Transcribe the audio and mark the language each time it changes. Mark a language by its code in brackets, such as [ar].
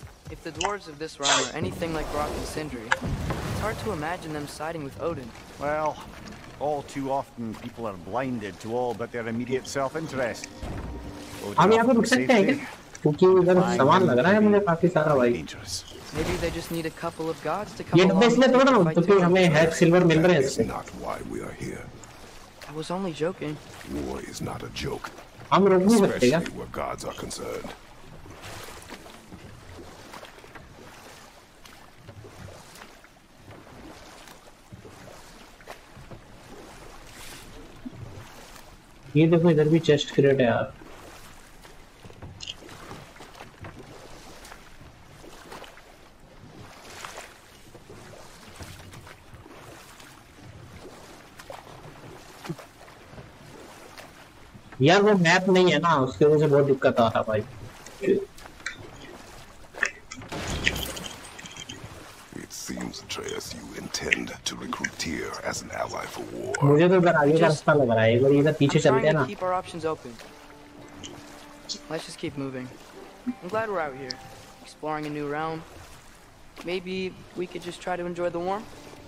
[en] If the dwarves of this realm are anything like Brock and Sindri, it's hard to imagine them siding with Odin. Well, all too often people are blinded to all but their immediate self-interest. [hi] हम यहाँ पे रुक सकते हैं क्या? क्योंकि इधर सामान लग रहा है मुझे काफी सारा भाई। ये डब्बे इसलिए तोड़ रहा हूँ क्योंकि हमें हैक सिल्वर मिल रहे हैं इससे। हम रुक नहीं सकते क्या? ये देखो इधर भी चेस्ट क्रिएट है यार। यार वो मैप नहीं है ना उसकी वजह से बहुत दिक्कत आ रहा भाई। [en] It seems Atreus, you intend to recruit Tyr as an ally for war. [hi] मुझे तो इधर आगे का रास्ता लग रहा है, एक बार इधर पीछे चलते हैं ना। [en] Keep our options open. Let's just keep moving. I'm glad we're out here, exploring a new realm. Maybe we could just try to enjoy the warmth.